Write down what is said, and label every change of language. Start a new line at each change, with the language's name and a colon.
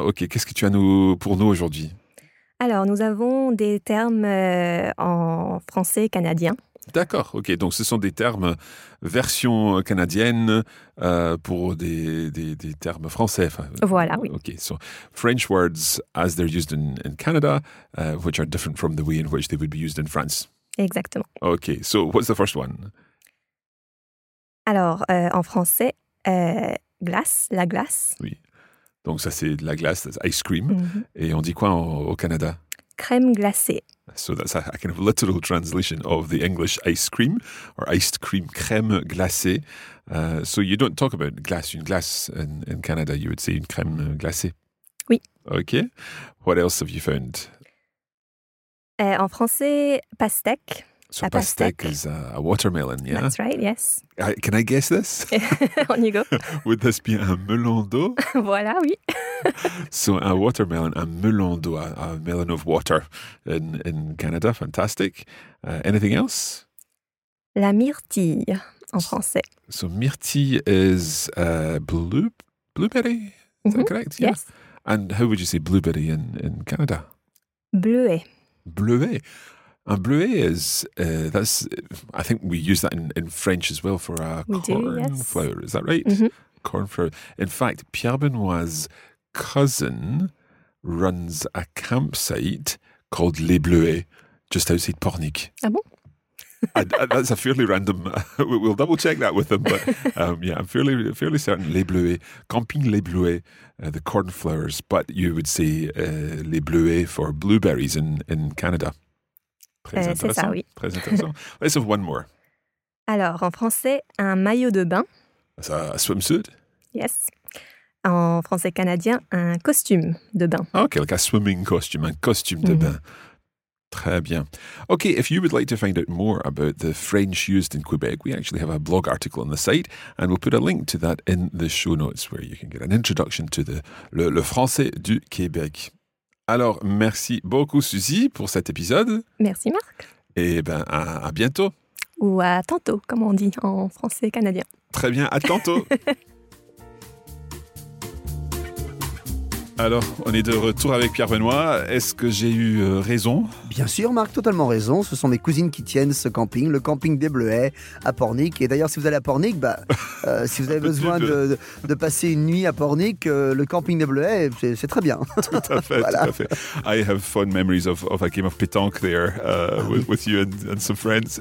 French: Ok, qu'est-ce que tu as pour nous aujourd'hui? Alors, nous avons des termes en français canadien. D'accord, ok. Donc, ce sont des termes version canadienne pour des termes français. Enfin, voilà, oui.
English: Ok, so French words as they're used in Canada, which are different from the way in which they would be used in France.
French: Exactement.
English: Ok, so what's the first one?
French: Alors, en français, glace, la glace. Oui. Donc, ça, c'est de la glace,
English: that's ice cream.
French: Mm-hmm. Et on dit quoi au Canada? Crème glacée.
English: So, that's a kind of literal translation of the English ice cream, or iced cream, crème glacée. So, you don't talk about glace, une glace in Canada, you would say une crème glacée.
French: Oui.
English: OK. What else have you found?
French: En français, pastèque.
English: So pastèque is a watermelon, yeah? That's right, yes. Can I guess this? On you go. Would this be un melon d'eau?
French: Voilà, oui.
English: So a watermelon, un melon d'eau, a melon of water in Canada, fantastic. Anything else?
French: La myrtille, en français.
English: So myrtille is blueberry, is mm-hmm. that correct? Yes. Yeah. And how would you say blueberry in Canada?
French: Bleuet. Bleuet.
English: And bleuet is, that's, I think we use that in French as well for a cornflower, yes. Is that right? Mm-hmm. Cornflower. In fact, Pierre Benoit's cousin runs a campsite called Les Bleuets, just outside Pornic.
French: Ah bon?
English: That's a fairly random, we'll double check that with them, but yeah, I'm fairly certain, Les Bleuets, Camping Les Bleuets, the cornflowers, but you would say Les Bleuets for blueberries in Canada.
French: C'est ça, oui. Très intéressant.
English: Let's have one more.
French: Alors, en français, un maillot de bain.
English: That's a swimsuit. Yes.
French: En français canadien, un costume de bain.
English: Okay, like a swimming costume,
French: un costume de bain. Très bien.
English: Okay, if you would like to find out more about the French used in Quebec, we actually have a blog article on the site, and we'll put a link to that in the show notes where you can get an introduction to le français du Québec.
French: Alors, merci beaucoup, Suzy, pour cet épisode. Merci, Marc. Et bien, à bientôt. Ou à tantôt, comme on dit en français canadien. Très bien, à tantôt. Alors, on est de retour avec Pierre Benoît. Est-ce que j'ai eu raison? Bien sûr, Marc, totalement raison. Ce sont mes cousines qui tiennent ce camping, le camping des Bleuets à Pornic. Et d'ailleurs, si vous allez à Pornic, bah, si vous avez besoin de passer une nuit à Pornic, le camping des Bleuets, c'est très bien. Tout à fait, voilà. Tout à fait.
English: I have fond memories of a game of pétanque there with you and some friends.